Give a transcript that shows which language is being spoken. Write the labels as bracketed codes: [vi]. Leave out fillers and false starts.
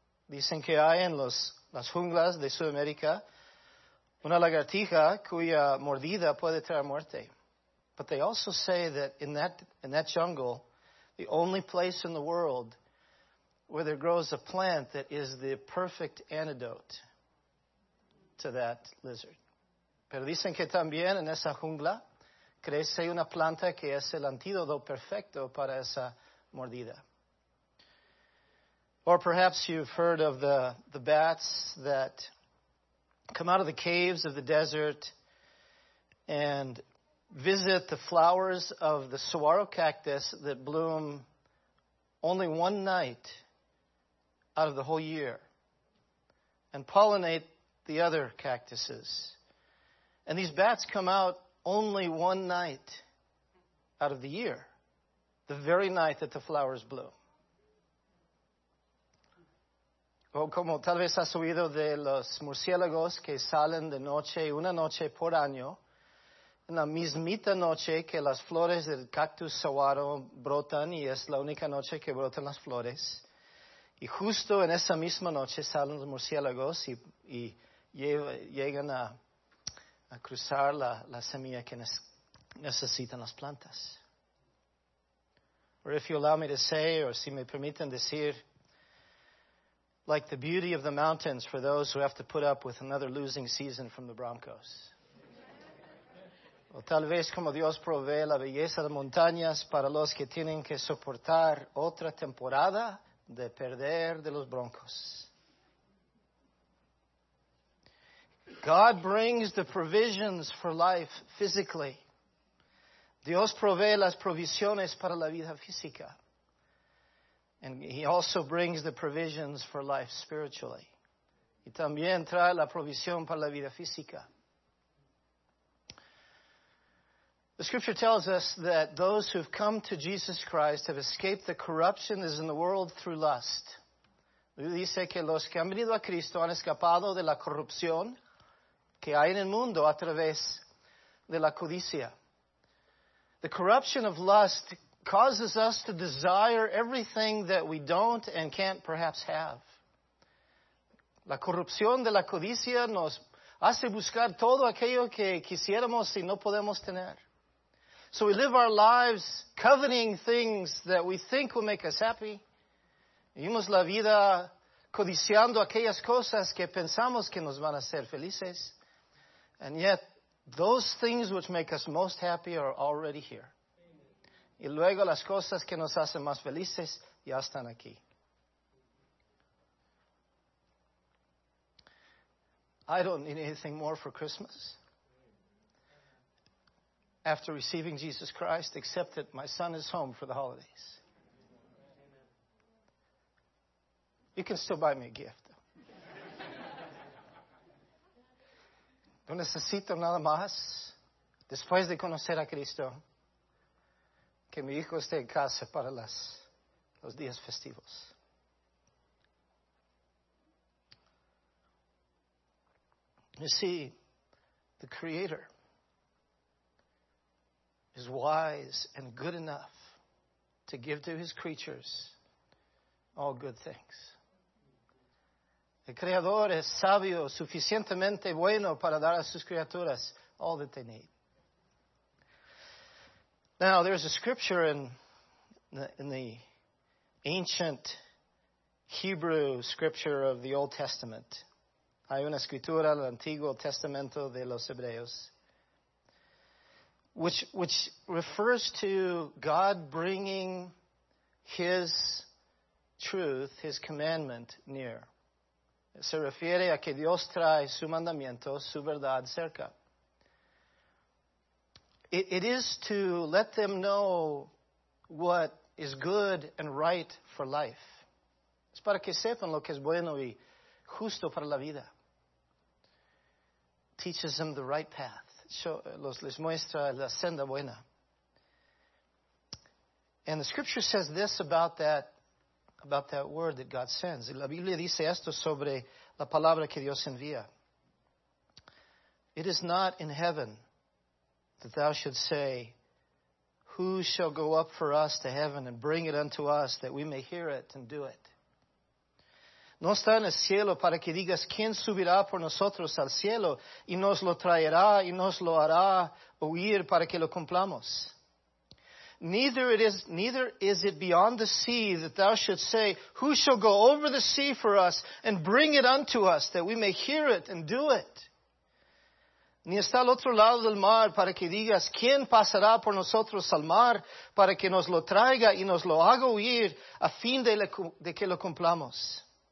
[es] Dicen que hay en las junglas de Sudamérica una lagartija cuya mordida puede traer muerte. [en] But they also say that in that jungle, the only place in the world where there grows a plant that is the perfect antidote to that lizard. [es] Pero dicen que también en esa jungla crece una planta que es el antídoto perfecto para esa mordida. [en] Or perhaps you've heard of the bats that come out of the caves of the desert and visit the flowers of the saguaro cactus that bloom only one night out of the whole year and pollinate the other cactuses. And these bats come out only one night out of the year, the very night that the flowers bloom. [es] O como tal vez has oído de los murciélagos que salen de noche, una noche por año, en la mismita noche que las flores del cactus saguaro brotan, y es la única noche que brotan las flores. Y justo en esa misma noche salen los murciélagos y llegan a cruzar la semilla que necesitan las plantas. [en] Or if you allow me to say, or [es] si me permiten decir, [en] like the beauty of the mountains for those who have to put up with another losing season from the Broncos. [es] O tal vez como Dios provee la belleza de montañas para los que tienen que soportar otra temporada de perder de los Broncos. [en] God brings the provisions for life physically. [es] Dios provee las provisiones para la vida física. [en] And he also brings the provisions for life spiritually. [es] Y también trae la provisión para la vida física. [en] The scripture tells us that those who have come to Jesus Christ have escaped the corruption that is in the world through lust. [es] Dice que los que han venido a Cristo han escapado de la corrupción que hay en el mundo a través de la codicia. [en] The corruption of lust causes us to desire everything that we don't and can't perhaps have. [es] La corrupción de la codicia nos hace buscar todo aquello que quisiéramos y no podemos tener. [en] So we live our lives coveting things that we think will make us happy. [es] Vivimos la vida codiciando aquellas cosas que pensamos que nos van a hacer felices. [en] And yet, those things which make us most happy are already here. [es] Y luego las cosas que nos hacen más felices ya están aquí. [en] I don't need anything more for Christmas after receiving Jesus Christ, except that my son is home for the holidays. You can still buy me a gift. [es] No necesito nada más después de conocer a Cristo. Que mi hijo esté en casa para los días festivos. [en] You see, the Creator is wise and good enough to give to His creatures all good things. [es] El Creador es sabio, suficientemente bueno para dar a sus criaturas [en] all that they need. Now, there's a scripture in the ancient Hebrew scripture of the Old Testament. [es] Hay una escritura del Antiguo Testamento de los Hebreos, [en] which refers to God bringing His truth, His commandment, near. [es] se refiere a que Dios trae su mandamiento, su verdad cerca. [en] It is to let them know what is good and right for life. [es] Es para que sepan lo que es bueno y justo para la vida. [en] Teaches them the right path. [es] Les muestra la senda buena. [en] And the scripture says this about that word that God sends. [es] La Biblia dice esto sobre la palabra que Dios envía. [en] It is not in heaven that thou should say, who shall go up for us to heaven and bring it unto us that we may hear it and do it. [es] No está en el cielo para que digas quién subirá por nosotros al cielo y nos lo traerá y nos lo hará oír para que lo cumplamos. [en] Neither is it beyond the sea that thou should say, who shall go over the sea for us and bring it unto us that we may hear it and do it. [es] Ni está al otro lado del mar para que digas quién pasará por nosotros al mar para que nos lo traiga y nos lo haga oír a fin de que lo cumplamos.